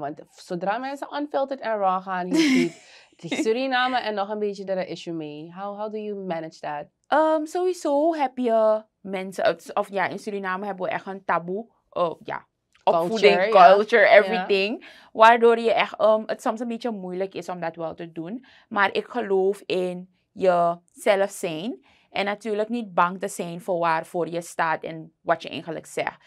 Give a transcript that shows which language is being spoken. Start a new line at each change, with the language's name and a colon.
Dutch: Want zodra mensen unfiltered en raw gaan, die Suriname en nog een beetje er een issue mee.
English: How do you manage that?
Dutch: Sowieso heb je mensen, of ja, in Suriname hebben we echt een taboe.
English: Opvoeding, culture, everything. Yeah.
Dutch: Waardoor je echt het soms een beetje moeilijk is om dat wel te doen. Maar ik geloof in je zelf zijn. En natuurlijk niet bang te zijn voor waarvoor je staat en wat je eigenlijk zegt.